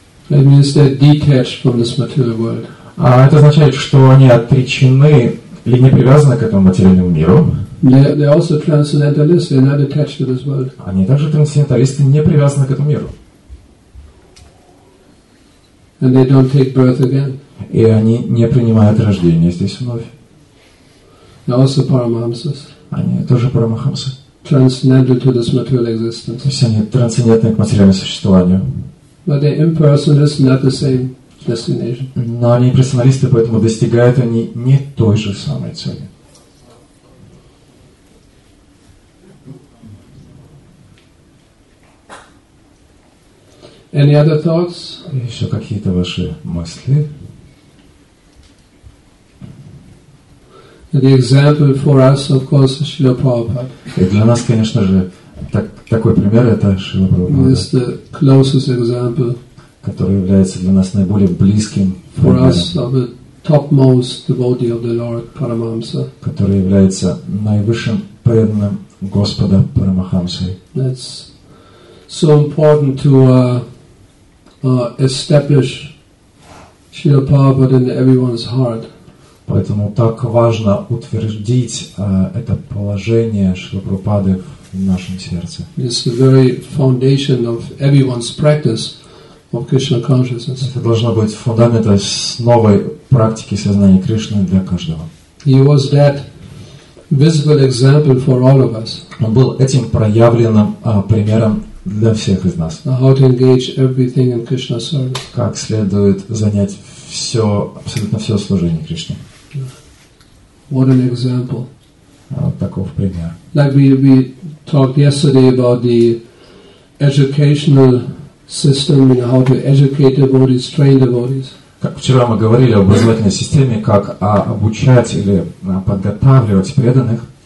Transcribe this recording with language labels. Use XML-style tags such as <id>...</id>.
<en>It means they're detached from this material world.</en> <ru>Это означает, что они отречены или не привязаны к этому материальному миру.</ru> <en>They're also transcendentalists. They're not attached to this world.</en> <ru>Они также трансценденталисты, не привязаны к этому миру.</ru> <en>And they don't take birth again.</en> <ru>И они не принимают рождение здесь вновь.</ru> <en>They're also paramahamsas.</en> <ru>Они тоже парамахамсы.</ru> <en>Transcendental to this material existence.</en> <ru>То есть они трансцендентны к материальному существованию.</ru> <en>But the impersonalists not the same destination.</en> <ru>Но они имперсоналисты, поэтому достигают они не той же самой цели.</ru> <en>Any other thoughts?</en> <ru>Еще какие-то ваши мысли?</ru> <en>The example for us, of course, is Śrīla Prabhupāda.</en> <ru>И для нас, конечно же, такой пример это Шрила Прабхупада.</ru> <en>It's the closest example,</en> <ru>который является для нас наиболее близким</ru> <en>for us of the topmost devotee of the Lord Paramahamsa,</en> <ru>который является наивысшим преданным Господа Парамахамсы.</ru> <en>That's so important to establish Шрила Прабхупада in everyone's heart.</en> <ru>Поэтому так важно утвердить это положение Шрила Прабхупады в нашем сердце.</ru> <en>It's the very foundation of everyone's practice of Krishna consciousness.</en> <ru>Это должно быть фундамент основы практики сознания Кришны для каждого.</ru> <en>He was that visible example for all of us.</en> <ru>Он был этим проявленным примером для всех из нас.</ru> <en>How to engage everything in Krishna service.</en> <ru>Как следует занять все, абсолютно все служение Кришне.</ru> <en>What an example.</en> <ru>Вот таков пример.</ru> <en>Like we talked yesterday about the educational system, you know, how to educate devotees, train devotees.</en> <ru>Как вчера мы говорили об образовательной системе, как обучать или подготавливать преданных.</ru>